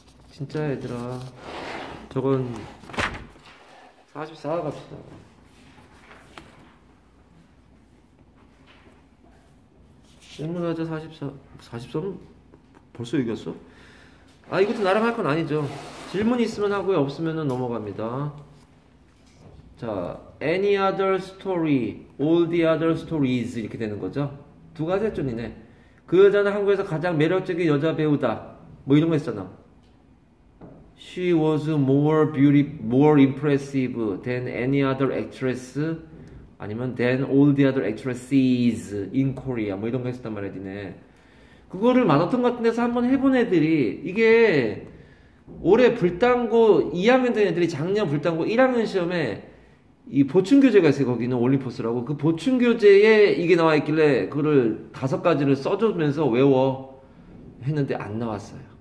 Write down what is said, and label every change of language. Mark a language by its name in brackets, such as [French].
[Korean] 진짜 얘들아, 저건 44 갑시다. 질문하자, 44. 43? 벌써 이겼어? 아, 이것도 나랑 할건 아니죠. 질문 있으면 하고요, 없으면 넘어갑니다. [English] 자, any other story, all the other stories. [Korean] 이렇게 되는 거죠. 두 가지의 존이네. 그 여자는 한국에서 가장 매력적인 여자 배우다. 뭐 이런 거 했잖아. [English] She was more impressive than any other actress, 아니면 than all the other actresses in Korea. [Korean] 뭐 이런 거 했었단 말이네. 그거를 마라톤 같은 데서 한번 해본 애들이, 이게 올해 불당고 2학년 된 애들이 작년 불당고 1학년 시험에 이 보충교재가 있어요, 거기는 올림포스라고. 그 보충교재에 이게 나와 있길래 그거를 다섯 가지를 써주면서 외워 했는데 안 나왔어요.